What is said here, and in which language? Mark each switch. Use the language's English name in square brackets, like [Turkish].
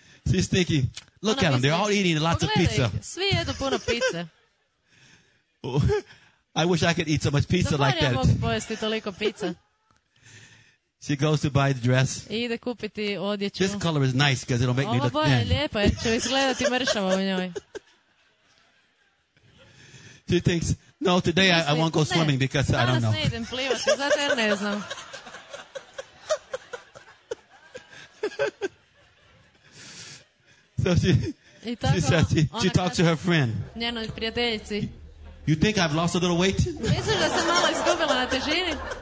[English] She's thinking, look at them, they're all eating lots of pizza. [Croatian] Svi jedu puno pizza. [English] I wish I could eat so much pizza like that. She goes to buy the dress. [Croatian] Ide kupiti odjeću. [English] This color is nice because it'll make [Croatian] ova [English] me look thin. [Croatian] Lijepa, će izgledati mršava u njoj. [English] She thinks, no, today I won't go swimming because [Croatian] danas [English] I don't know. [Croatian] Danas ne idem plivati, zato jer ne znam. [English] So she talks to her friend. [Croatian] Njenoj prijateljici. [English] You think I've lost a little weight? [Croatian] Misliš da sam malo izgubila na težini?